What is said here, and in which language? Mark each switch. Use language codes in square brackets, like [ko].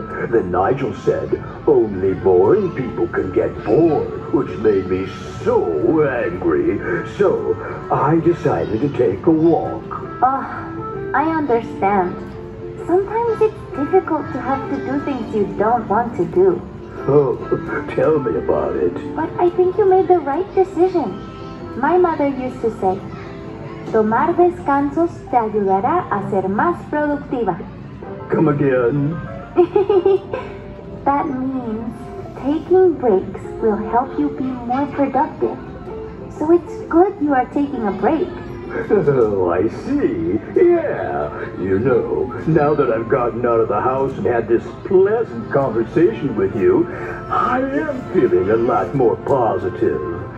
[en] Then Nigel said, only boring people can get bored, which made me so angry. So I decided to take a walk. Oh, I understand. Sometimes it's difficult to have to do things you don't want to do. Oh, tell me about it. But I think you made the right decision. My mother used to say, [es] tomar descansos te ayudará a ser más productiva. [en] Come again. That means taking breaks will help you be more productive. So it's good you are taking a break. Oh, I see. Yeah. You know, now that I've gotten out of the house and had this pleasant conversation with you, I am feeling a lot more positive.